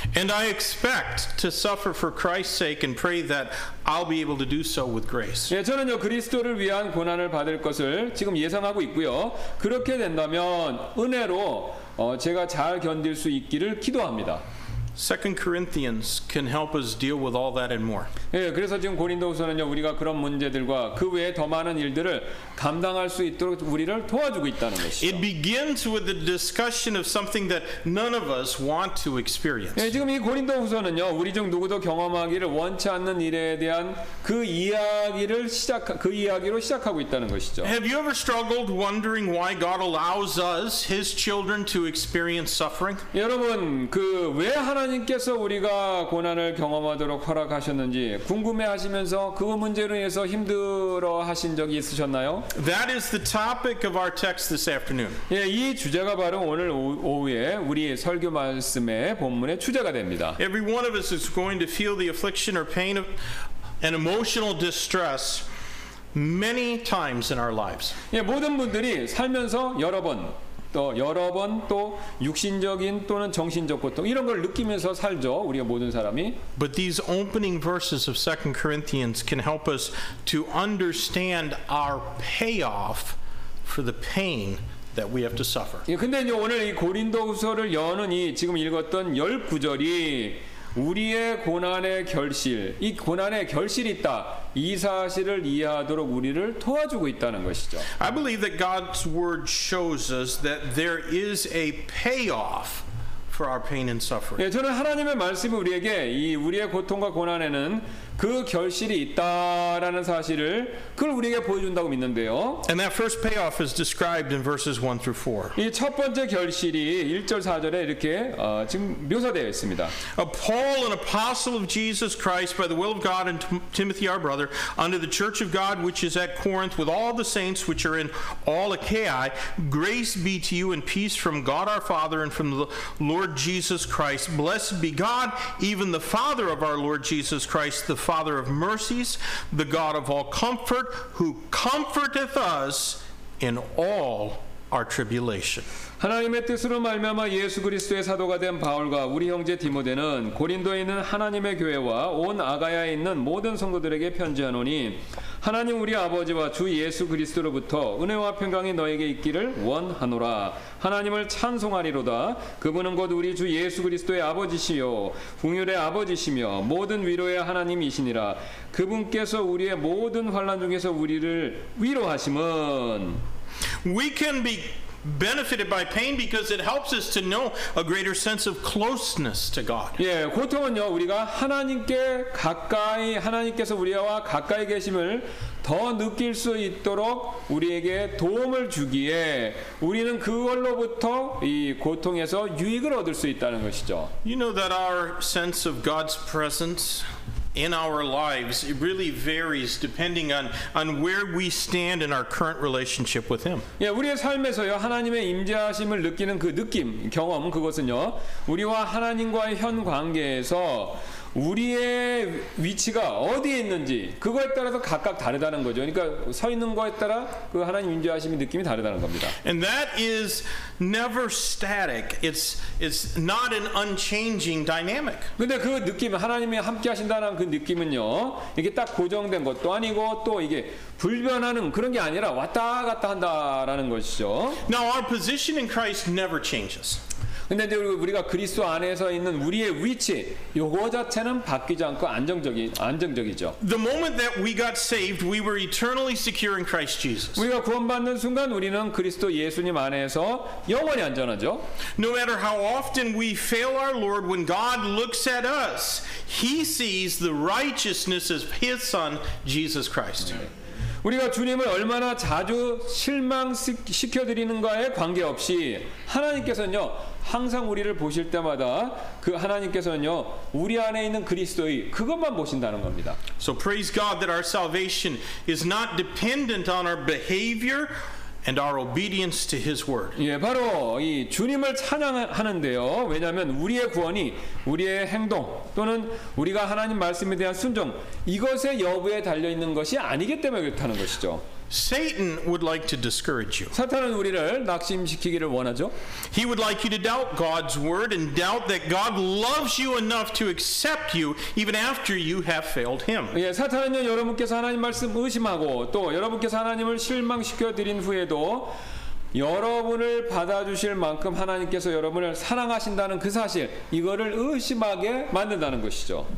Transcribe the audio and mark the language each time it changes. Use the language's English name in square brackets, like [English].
[English] And I expect to suffer for Christ's sake and pray that I'll be able to do so with grace. [Korean] 예, 저는요 그리스도를 위한 고난을 받을 것을 지금 예상하고 있고요. 그렇게 된다면 은혜로 제가 잘 견딜 수 있기를 기도합니다. [English] 2 Corinthians can help us deal with all that and more. [Korean] 예, 그래서 지금 고린도후서는요 우리가 그런 문제들과 그 외에 더 많은 일들을 감당할 수 있도록 우리를 도와주고 있다는 것이죠. [English] It begins with the discussion of something that none of us want to experience. [Korean] 예, 지금 이 고린도후서는요 우리 중 누구도 경험하기를 원치 않는 일에 대한 그 이야기로 시작하고 있다는 것이죠. [English] Have you ever struggled wondering why God allows us, His children, to experience suffering? [Korean] 여러분 그 왜 하나님께서 우리가 고난을 경험하도록 허락하셨는지 궁금해하시면서 그 문제로 인해서 힘들어하신 적이 있으셨나요? [English] That is the topic of our text this afternoon. [Korean] 예, 이 주제가 바로 오늘 오후에 우리 설교 말씀의 본문의 주제가 됩니다. [English] Every one of us is going to feel the affliction or pain of an emotional distress many times in our lives. [Korean] 예, 모든 분들이 살면서 여러 번 또 여러 번 또 육신적인 또는 정신적 고통 이런 걸 느끼면서 살죠. 우리 모든 사람이. [English] But these opening verses of 2 Corinthians can help us to understand our payoff for the pain that we have to suffer. [Korean] 예, 근데 이제 오늘 이 고린도후서를 여는 이 지금 읽었던 19절이 우리의 고난의 결실, 이 고난의 결실이 있다. 이 사실을 이해하도록 우리를 도와주고 있다는 것이죠. [English] I believe that God's word shows us that there is a payoff for our pain and suffering. [Korean] 예, 저는 하나님의 말씀이 우리에게 이 우리의 고통과 고난에는 그 결실이 있다라는 사실을 그걸 우리에게 보여준다고 믿는데요. [English] And that first payoff is described in verses 1 through 4. [Korean] 이 첫 번째 결실이 1절 4절에 이렇게 지금 묘사되어 있습니다. [English] A Paul, an apostle of Jesus Christ by the will of God and Timothy our brother unto the church of God which is at Corinth with all the saints which are in all Achaia, grace be to you and peace from God our Father and from the Lord Jesus Christ. Blessed be God, even the Father of our Lord Jesus Christ, the Father of mercies, the God of all comfort, who comforteth us in all our tribulation. [Korean] 하나님의 뜻으로 말미암아 예수 그리스도의 사도가 된 바울과 우리 형제 디모데는 고린도에 있는 하나님의 교회와 온 아가야에 있는 모든 성도들에게 편지하노니 하나님 우리 아버지와 주 예수 그리스도로부터 은혜와 평강이 너에게 있기를 원하노라. 하나님을 찬송하리로다. 그분은 곧 우리 주 예수 그리스도의 아버지시요 궁휼의 아버지시며 모든 위로의 하나님이시니라. 그분께서 우리의 모든 환난 중에서 우리를 위로하심은 [English] We can be benefited by pain because it helps us to know a greater sense of closeness to God. [Korean] 예, 고통은요 우리가 하나님께 가까이 하나님께서 우리와 가까이 계심을 더 느낄 수 있도록 우리에게 도움을 주기에 우리는 그걸로부터 이 고통에서 유익을 얻을 수 있다는 것이죠. [English] You know that our sense of God's presence in our lives it really varies depending on where we stand in our current relationship with him. [Korean] 예, 우리의 삶에서요. 하나님의 임재하심을 느끼는 그 느낌, 경험 그것은요. 우리와 하나님과의 현 관계에서 우리의 위치가 어디에 있는지 그거에 따라서 각각 다르다는 거죠. 그러니까 서 있는 거에 따라 그 하나님 임재하심의 느낌이 다르다는 겁니다. [English] And that is never static. It's not an unchanging dynamic. [Korean] 근데 그 느낌 하나님이 함께 하신다는 그 느낌은요. 이게 딱 고정된 것도 아니고 또 이게 불변하는 그런 게 아니라 왔다 갔다 한다라는 것이죠. [English] Now our position in Christ never changes. [Korean] 근데 우리가 그리스도 안에서 있는 우리의 위치 요거 자체는 바뀌지 않고 안정적이죠. [English] The moment that we got saved, we were eternally secure in Christ Jesus. [Korean] 우리가 구원받는 순간 우리는 그리스도 예수님 안에서 영원히 안전하죠. [English] No matter how often we fail our Lord, when God looks at us, he sees the righteousness of his son Jesus Christ. [Korean] 우리가 주님을 얼마나 자주 실망시켜드리는가에 관계없이 하나님께서는요 항상 우리를 보실 때마다 그 하나님께서는요 우리 안에 있는 그리스도의 그것만 보신다는 겁니다. [English] So praise God that our salvation is not dependent on our behavior and our obedience to his word. [Korean] 예, 바로 이 주님을 찬양하는데요. 왜냐하면 우리의 구원이 우리의 행동 또는 우리가 하나님 말씀에 대한 순종 이것의 여부에 달려 있는 것이 아니기 때문에 그렇다는 것이죠. [English] Satan would like to discourage you. [Korean] 사탄은 우리를 낙심시키기를 원하죠. [English] He would like you to doubt God's word and doubt that God loves you enough to accept you even after you have failed him. [Korean] 예, 사탄은요, 여러분께서 하나님 말씀 의심하고 또 여러분께서 하나님을 실망시켜 드린 후에도 여러분을 받아주실 만큼 하나님께서 여러분을 사랑하신다는 그 사실 이거를 의심하게 만든다는 것이죠.